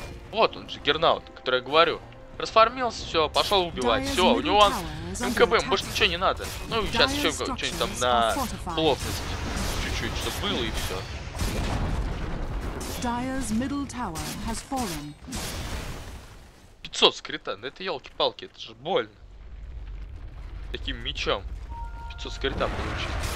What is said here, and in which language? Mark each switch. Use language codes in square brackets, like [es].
[ru] Вот он, Джиггернаут, который я говорю. Расформился, все, пошел убивать, все, у него он МКБ, больше ничего не надо. Ну, сейчас еще что-нибудь там на плотность чуть-чуть, чтобы было, и все. [en] Dire's middle tower has fallen. [ru] 500 скрита, да это елки-палки, это же больно. Таким мечом 500 скрита получить.